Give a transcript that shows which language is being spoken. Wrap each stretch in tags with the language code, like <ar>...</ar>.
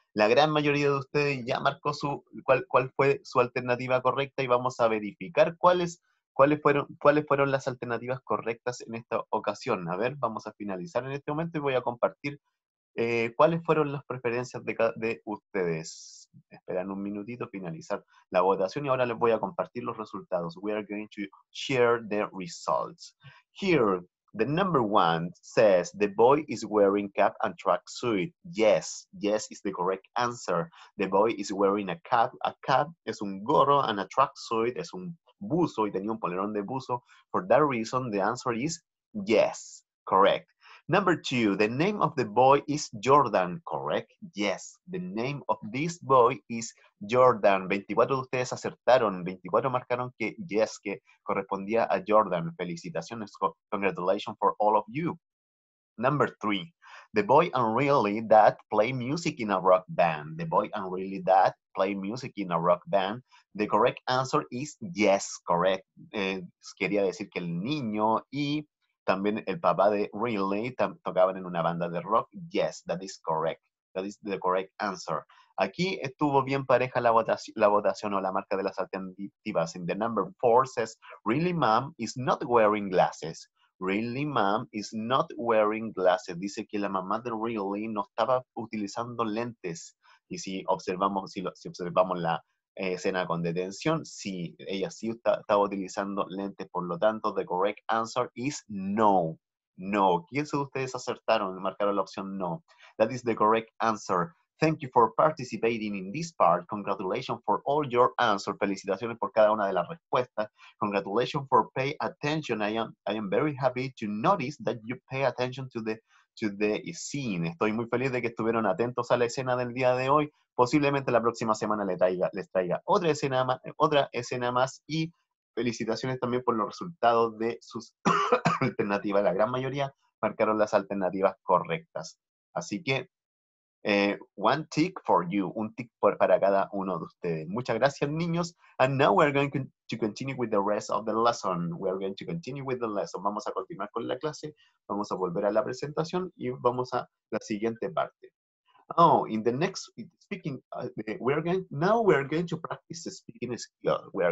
<es>La gran mayoría de ustedes ya marcó cuál fue su alternativa correcta y vamos a verificar cuáles fueron las alternativas correctas en esta ocasión. A ver, vamos a finalizar en este momento y voy a compartir cuáles fueron las preferencias de ustedes. Esperan un minutito, finalizar la votación y ahora les voy a compartir los resultados.</es> <en>We are going to share the results. Here, the number one says, the boy is wearing cap and track suit. Yes, yes is the correct answer. The boy is wearing a cap. A cap</en> <es>es un gorro</es> <en>and a track suit</en> <es>es un buzo y tenía un polerón de buzo.</es> <en>For that reason, the answer is yes, correct. Number two, the name of the boy is Jordan, correct? Yes, the name of this boy is Jordan.</en> <es>24 de ustedes acertaron, 24 marcaron que yes, que correspondía a Jordan. Felicitaciones,</es> <en>congratulations for all of you. Number three, The boy and Riley that play music in a rock band. The boy and Riley that play music in a rock band. The correct answer is yes, correct.</en> <es>Quería decir que el niño y también el papá de Riley tocaban en una banda de rock.</es> <en>Yes, that is correct. That is the correct answer.</en> <es>Aquí estuvo bien pareja la votación o la marca de las alternativas.</es> <en>In the number four says, Riley mom is not wearing glasses. Riley mom is not wearing glasses.</en> <es>Dice que la mamá de Riley no estaba utilizando lentes. Y si observamos la escena con detención, sí, ella sí estaba utilizando lentes. Por lo tanto,</es> <en>the correct answer is no. No.</en> <es>¿Quiénes de ustedes acertaron? Marcaron la opción no.</es> <en>That is the correct answer. Thank you for participating in this part. Congratulations for all your answers.</en> <es>Felicitaciones por cada una de las respuestas.</es> <en>Congratulations for pay attention. I am very happy to notice that you pay attention to the scene.</en> <es>Estoy muy feliz de que estuvieron atentos a la escena del día de hoy. Posiblemente la próxima semana les traiga otra escena más y felicitaciones también por los resultados de sus alternativas. La gran mayoría marcaron las alternativas correctas. Así que</es> <en>one tick for you,</en> <es>un tick para cada uno de ustedes. Muchas gracias, niños.</es> <en>And now we are going to continue with the rest of the lesson. We are going to continue with the lesson.</en> <es>Vamos a continuar con la clase. Vamos a volver a la presentación y vamos a la siguiente parte.</es> <en>Oh, in the next speaking, we are going to practice speaking skill.</en>